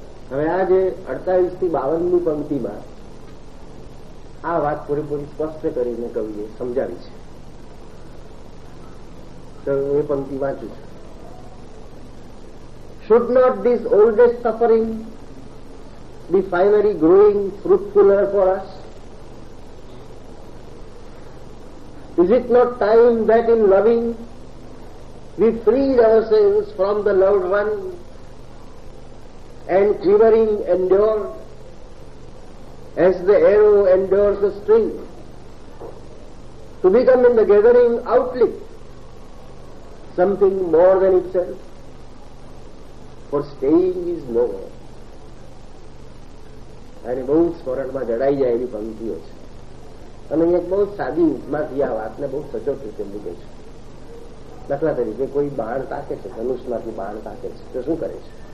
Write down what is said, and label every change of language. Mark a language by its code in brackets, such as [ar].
[gu] હવે આ જે 48-52 પંક્તિમાં આ વાત પૂરેપૂરી સ્પષ્ટ કરીને કવિએ સમજાવી છે, એ પંક્તિ વાંચું છું. [en] Should not this oldest suffering be finally growing fruitfuler for us? Is it not time that in loving we freed ourselves from the loved one and quivering endure as the arrow endures the string to become in the gathering outlet something more than itself? For staying is nowhere. [gu] અને બહુ સ્મરણમાં જડાઈ જાય એવી પંક્તિઓ છે. અને એક બહુ સાદી ઉપમાથી આ વાતને બહુ સચોટ રીતે મૂકે છે. દાખલા તરીકે કોઈ બાણ તાકે છે, ધનુષમાંથી બાણ તાકે છે તો શું કરે છે?